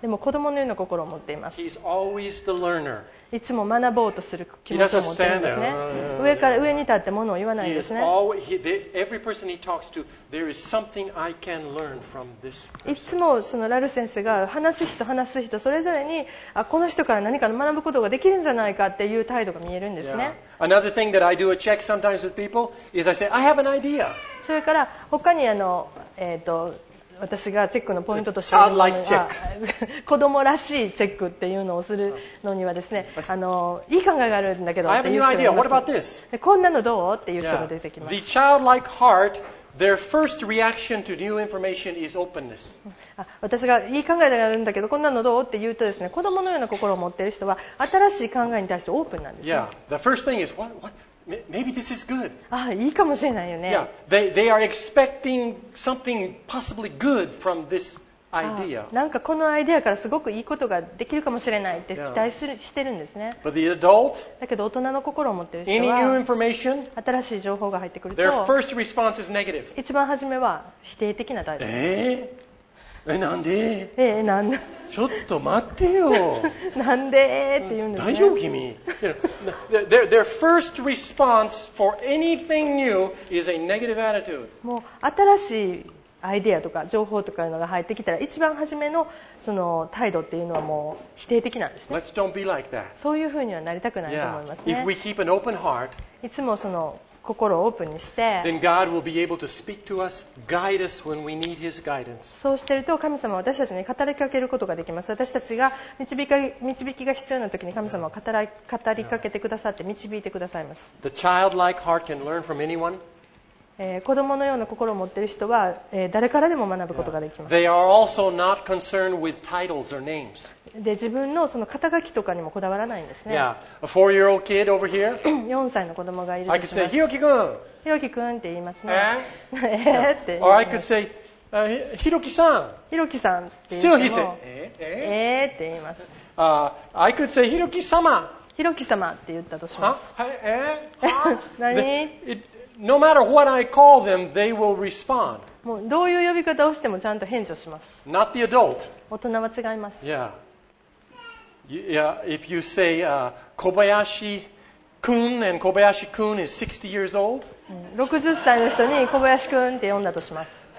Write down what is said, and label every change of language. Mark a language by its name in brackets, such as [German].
[Japanese] でも子供のような心を持っています。 [English] He's always the learner. [Japanese] いつも学ぼうとする気持ちを持っているんですね。上から上に立ってものを言わないんですね。 [English] Every person he talks to, there is something I can learn from this person. [Japanese] いつもそのラルフ先生が話す人、話す人、それぞれにこの人から何か学ぶことができるんじゃないかっていう態度が見えるんですね。 [English] Yeah. Another thing that I do a check sometimes with people is I say, I have an idea. [Japanese] それから他に私がチェックのポイントとして言うのは子供らしいチェックっていうのをするのにはですね、いい考えがあるんだけどっていう人がいます。こんなのどうっていう人が出てきます。 [English] The childlike heart their first reaction to new information is openness. [Japanese] 私がいい考えがあるんだけど、こんなのどうって言うとですね、子供のような心を持っている人は新しい考えに対してオープンなんですね。 [English] Yeah, the first thing is what? Maybe this is good. [Japanese] あ、いいかもしれないよね。 [English] Yeah, they are expecting something possibly good from this idea. [Japanese] なんかこのアイデアからすごくいいことができるかもしれないって期待する、yeah. してるんですね。 [English] But the adult, [Japanese] だけど大人の心を持ってる人 [English] は、any new information, [Japanese] 新しい情報が入ってくると、 [English] their first response is negative. [Japanese] 一番初めは否定的な態度。なんで？なんで？ちょっと待ってよ。なんでって言うんですね。大丈夫君。 [English] their first response for anything new is a negative attitude. [Japanese] もう新しいアイデアとか情報とかいうのが入ってきたら、一番初めのその態度っていうのはもう否定的なんですね。 [English] Let's don't be like that. [Japanese] そういうふうにはなりたくないと思いますね。 [English] If we keep an open heart, [Japanese] いつもその心をオープンにして、 [English] then God will be able to speak to us, guide us when we need His guidance. [Japanese] そうしてると神様は私たちに語りかけることができます。私たちが導きが必要な時に神様は語りかけてくださって導いてくださいます。 [English] The childlike heart can learn from anyone. [Japanese] 子供のような心を持っている人は、誰からでも学ぶことができます。 [English] They are also not concerned with titles or names. [Japanese] で自分 の, その肩書きとかにもこだわらないんですね。 [English] Yeah. A four-year-old kid over here. [Japanese] 4歳の子供がいるとします。 [English] I could say, Hiroki 君。 [Japanese] Hiroki 君って言いますね。って言います。 [English] Or I could say, Hiroki さん。 [Japanese] Hiroki さんって言っても [English] Still he said, [Japanese] って言います。 [English] I could say, Hiroki 様。 [Japanese] Hiroki 様って言ったとします。はい、何？ [English] No matter what I call them, they will respond. [Japanese] もうどういう呼び方をしてもちゃんと返事をします。 [English] Not the adult. [Japanese] 大人は違います。 [English] Yeah. Yeah, if you say Kobayashi-kun and Kobayashi-kun is 60 years old. [Japanese] 60歳の人に Kobayashi-kun って呼んだとします。